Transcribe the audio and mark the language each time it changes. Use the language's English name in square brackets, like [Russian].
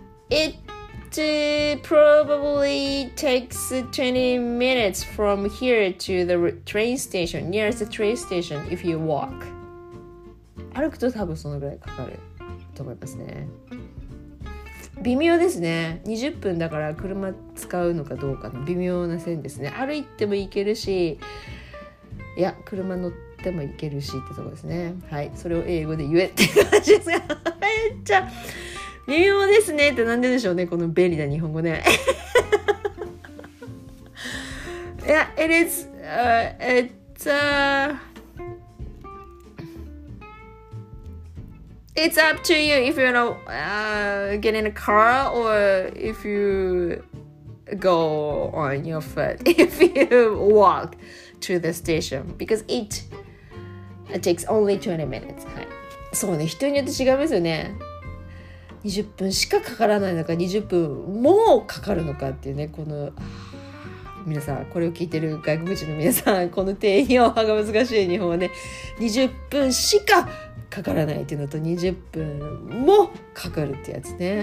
[English] It probably takes 20 minutes from here to the train station, nearest the train station, if you walk. [Japanese] 歩くと多分そのぐらいかかると思いますね。微妙ですね。 20分だから車使うのかどうかの微妙な線ですね。歩いても行けるし、いや車乗っても行けるしってとこですね。はい、それを英語で言えって感じですが、めっちゃ微妙ですねってなんででしょうね、この便利な日本語ね。 [English] いや、yeah, it is it's It's up to you if you wanna get in a car or if you go on your foot, if you walk to the station, because it takes only 20 minutes. [Japanese] はい。そうね、人によって違いますよね。20分しかかからないのか、20分もかかるのかっていうね、この、皆さん、これを聞いてる外国人の皆さん、この定義が難しい日本はね、20分しかかからないっていうのと20分もかかるってやつね。